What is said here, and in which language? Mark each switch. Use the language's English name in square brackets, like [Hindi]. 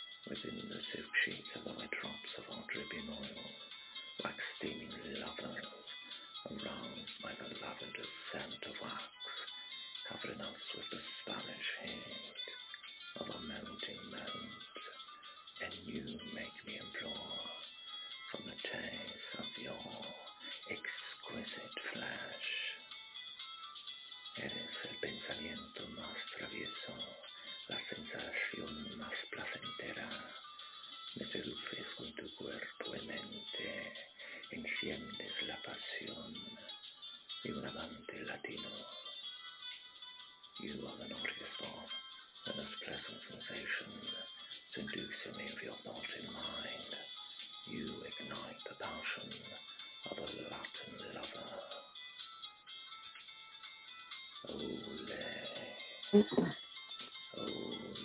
[English] Within the silk sheets of the wet drops of our dripping oil, like steaming lovers, around by the lavender scent of wax, covering us with the Spanish heat of a melting mount, and you make me implore from the taste of your exquisite flesh. [Spanish] Eres el pensamiento más travieso, la sensación más placentera, me seduces con tu cuerpo y mente. Enciendes la pasión de un amante latino. [English] You are the naughtiest form, the most pleasant sensation, seducing me of your thought in mind. You ignite the passion of a Latin lover. [Spanish] Ole, ole.